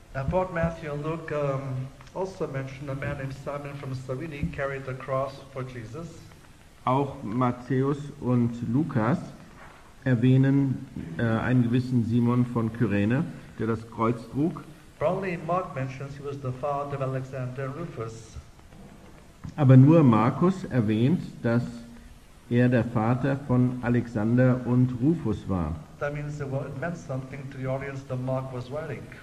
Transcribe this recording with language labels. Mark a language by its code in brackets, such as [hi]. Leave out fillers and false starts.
[en] Both Matthew and Luke also mentioned a man named Simon from Cyrene carried the cross for Jesus. [de] Auch Matthäus und Lukas erwähnen einen gewissen Simon von Kyrene, der das Kreuz trug. [en] Only Mark mentions he was the father of Alexander and Rufus. [de] Aber nur Markus erwähnt, dass er der Vater von Alexander und Rufus war. [en] That means it meant something to the audience that Mark was writing.